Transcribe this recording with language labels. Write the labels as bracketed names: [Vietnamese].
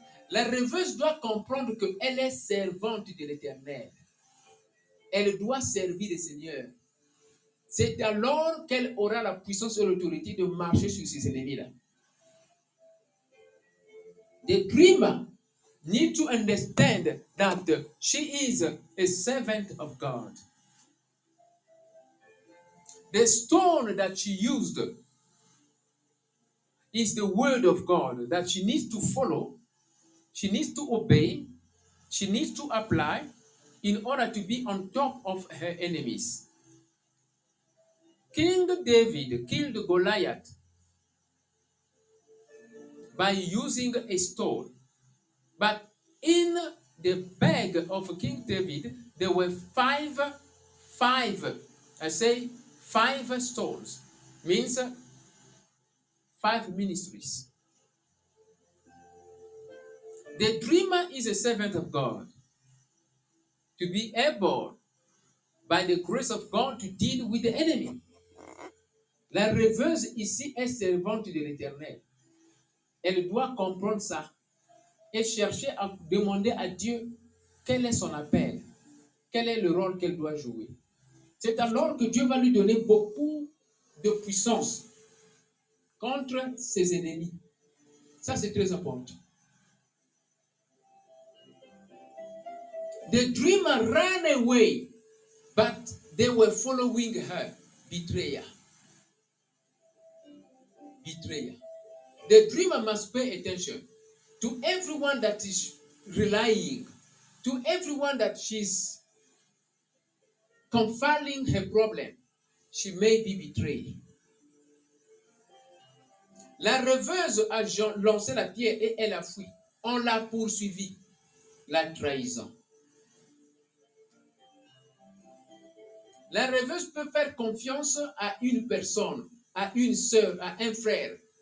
[French] La rêveuse doit comprendre qu'elle est servante de l'Éternel. Elle doit servir le Seigneur. C'est alors qu'elle aura la puissance et l'autorité de marcher sur ses ennemis-là. [English] The dreamer need to understand that she is a servant of God. The stone that she used is the word of God that she needs to follow, she needs to obey, she needs to apply in order to be on top of her enemies. King David killed Goliath by using a stone. But in the bag of King David, there were five stones. Means five ministries. The dreamer is a servant of God to be able, by the grace of God, to deal with the enemy. [French] La rêveuse ici est servante de l'Éternel. Elle doit comprendre ça et chercher à demander à Dieu quel est son appel, quel est le rôle qu'elle doit jouer. C'est alors que Dieu va lui donner beaucoup de puissance contre ses ennemis. Ça, c'est très important. [English] The dreamer ran away, but they were following her, betrayer. Betrayer. The dreamer must pay attention to everyone that is relying, to everyone that she's confiding her problem. She may be betrayed. [French] La rêveuse a lancé la pierre et elle a fui. On l'a poursuivi. La trahison. La rêveuse peut faire confiance à une personne, à une sœur, à un frère.